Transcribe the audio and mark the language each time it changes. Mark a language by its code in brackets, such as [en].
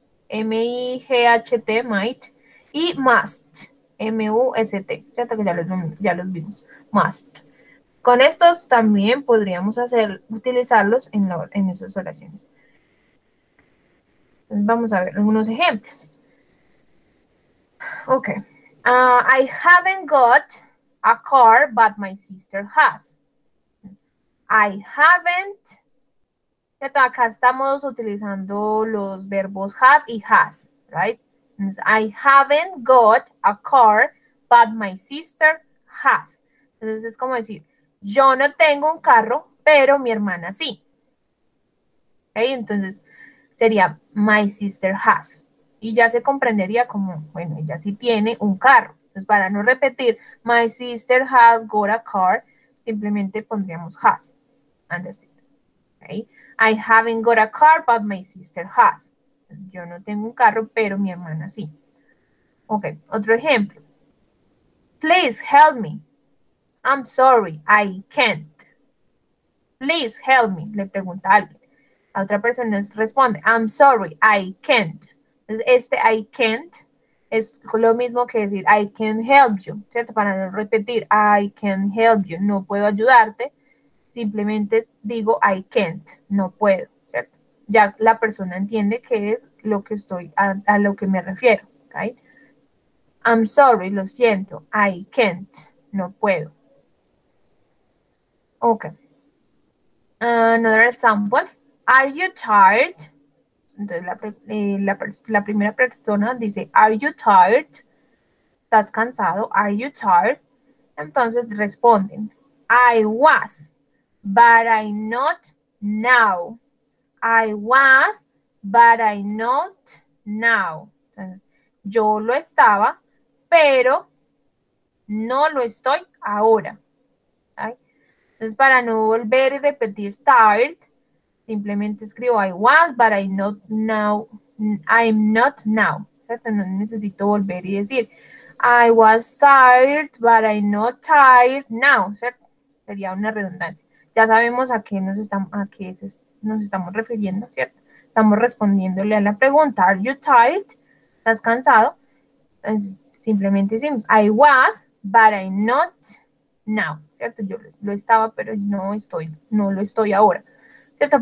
[es] M-I-G-H-T, might, y must, M-U-S-T, cierto que ya los vimos, must. Con estos también podríamos utilizarlos en esas oraciones. Entonces vamos a ver algunos ejemplos. [en] Ok, I haven't got a car, but my sister has. I haven't. [es] Acá estamos utilizando los verbos have y has, [en] right? I haven't got a car, but my sister has. [es] Entonces es como decir, yo no tengo un carro, pero mi hermana sí. Okay? Entonces sería, [en] my sister has. [es] Y ya se comprendería como, bueno, ella sí tiene un carro. Entonces, para no repetir, [en] My sister has got a car, [es] simplemente pondríamos has. [en] And that's it. [es] Okay. [en] I haven't got a car, but my sister has. [es] Yo no tengo un carro, pero mi hermana sí. Ok, otro ejemplo. [en] Please help me. I'm sorry, I can't. Please help me, [es] le pregunta a alguien. La otra persona responde, [en] I'm sorry, I can't. [es] Entonces, este [en] I can't [es] es lo mismo que decir [en] I can't help you, [es] ¿cierto? Para no repetir, [en] I can't help you, [es] no puedo ayudarte. Simplemente digo [en] I can't, [es] no puedo, ¿cierto? Ya la persona entiende qué es lo que estoy a lo que me refiero, ¿okay? [en] I'm sorry, [es] lo siento, [en] I can't, [es] no puedo. [en] Ok. Another example. Are you tired? [es] Entonces la primera persona dice, [en] Are you tired? [es] ¿Estás cansado? Are you tired? Entonces responden, [en] I was, but I not now. I was, but I not now. [es] Entonces, yo lo estaba, pero no lo estoy ahora. Entonces, para no volver y repetir tired, simplemente escribo [en] I was, but I not now. I'm not now. ¿Cierto? [es] No necesito volver y decir [en] I was tired, but I not tired now. [es] ¿Cierto? Sería una redundancia. Ya sabemos a qué nos estamos refiriendo, ¿cierto? Estamos respondiéndole a la pregunta, [en] Are you tired? [es] ¿Estás cansado? Entonces, simplemente decimos, [en] I was, but I not now, [es] ¿cierto? Yo lo estaba, pero no lo estoy ahora. ¿Cierto?